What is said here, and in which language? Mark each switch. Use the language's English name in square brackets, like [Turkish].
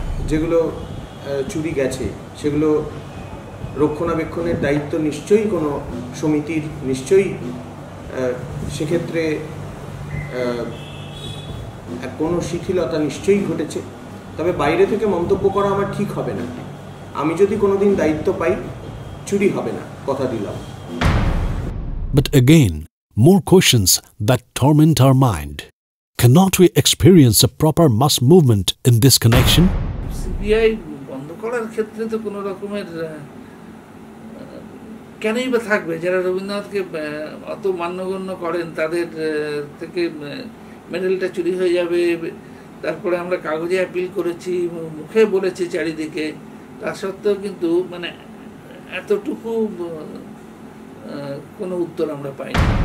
[Bangla] যেগুলো চুরি গেছে সেগুলো রক্ষণাবেক্ষণের দায়িত্ব নিশ্চয়ই কোনো সমিতির, নিশ্চয়ই সেক্ষেত্রে কোনো শিথিলতা নিশ্চয়ই ঘটেছে। তবে বাইরে থেকে মন্তব্য করা আমার ঠিক হবে না, আমি যদি কোনো দিন দায়িত্ব পাই চুরি হবে না, কথা দিলাম। [English] But again, more questions that torment our mind. Cannot we experience a proper mass movement in this connection? [Bangla] CBI বন্ধ করার ক্ষেত্রে তো কোনো রকমের কেনই বা থাকবে, যারা রবীন্দ্রনাথকে অত মান্যগণ্য করেন তাদের থেকে মেডেলটা চুরি হয়ে যাবে, তারপরে আমরা কাগজে অ্যাপিল করেছি, মুখে বলেছি চারিদিকে, তা সত্ত্বেও কিন্তু মানে এতটুকু কোনো উত্তর আমরা পাইনি।